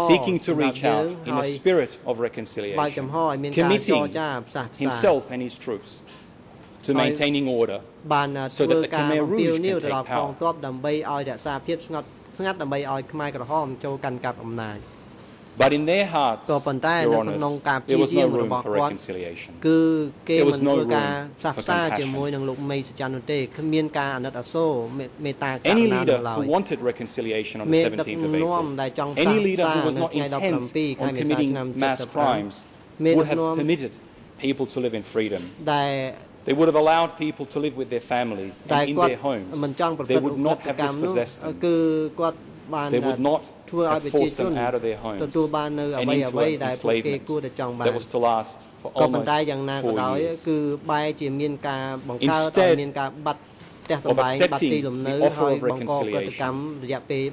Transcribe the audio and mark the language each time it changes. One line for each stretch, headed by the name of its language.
English: Seeking to reach out in a spirit of reconciliation
Khmer: បើកចំហឲ្យមានការចរចាផ្សះផ្សា
English: himself and his troops to maintaining order
Khmer: បានធ្វើការអំពាវនាវដល់កងទ័ពដើម្បីឲ្យរក្សាភាពស្ងប់ស្ងាត់ដើម្បីឲ្យខ្មែរក្រហមចូលកាន់កាប់អំណាច
English: But in their hearts,
Khmer: ក៏ប៉ុន្តែក្នុងការព្យាយាមរបស់គាត់គឺគេមិនធ្វើការផ្សះផ្សាជាមួយនឹងលោកមេសច្ចានោះទេគ្មានការអាណិតអាសូរមេត្តាករុណាឡើយ
English: Any leader who wanted reconciliation on the 17th of April, any leader who was not intent on committing mass crimes would have permitted people to live in freedom. They would have allowed people to live with their families and in their homes.
Khmer: មិនចង់ប្រព្រឹត្តឧក្រិដ្ឋកម្មនោះគឺគាត់បានធ្វើឲ្យប្រជាជនគឺគាត់បាន ធ្វើឲ្យប្រជាជន ធ្វើឲ្យប្រជាជនទទួលបាននៅអ្វីៗដែលពួកគេគួរតែចង់បានក៏ប៉ុន្តែយ៉ាងណាក៏ដោយគឺបែរជាមានការបង្កើតមានការបាត់ផ្ទះសម្បែងបាត់ទីលំនៅហើយបង្កប្រតិកម្មរយៈពេល